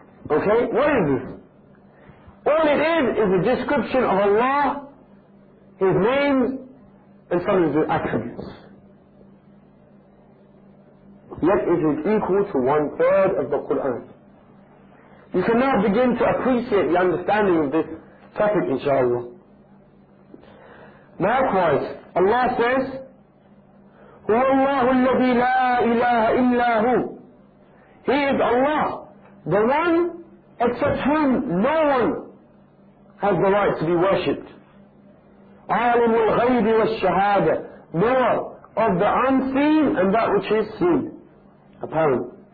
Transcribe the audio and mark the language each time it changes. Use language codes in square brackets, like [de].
[en] Okay, what is this? All it is a description of Allah, His name, and some of His attributes. Yet it is equal to one third of the Quran. You can now begin to appreciate the understanding of this topic, inshaAllah. Likewise, Allah says, [ar] هُوَ اللَّهُ الَّذِي لَا إِلَهَ إِلَّا هُ. [en] He is Allah, the one except whom no one has the right to be worshipped. [ar] عَالِمُ الْغَيْبِ وَالشَّهَادَةِ. [en] More of the unseen and that which is seen, apparent.